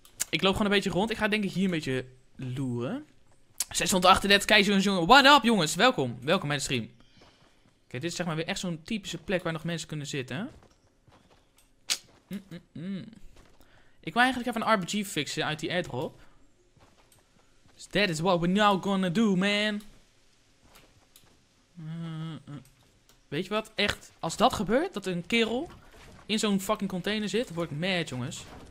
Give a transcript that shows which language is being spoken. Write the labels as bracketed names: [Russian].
[Dutch] Ik loop gewoon een beetje rond. Ik ga denk ik hier een beetje loeren. 638, kijk jongens, jongen. [English] What up, [Dutch] jongens? Welkom. Welkom bij de stream. Oké, dit is zeg maar weer echt zo'n typische plek waar nog mensen kunnen zitten. Ik wil eigenlijk even een RPG fixen uit die airdrop. [English] So that is what we're now gonna do, man. [Dutch] Weet je wat? Echt, als dat gebeurt, dat een kerel in zo'n fucking container zit, word ik mad, jongens.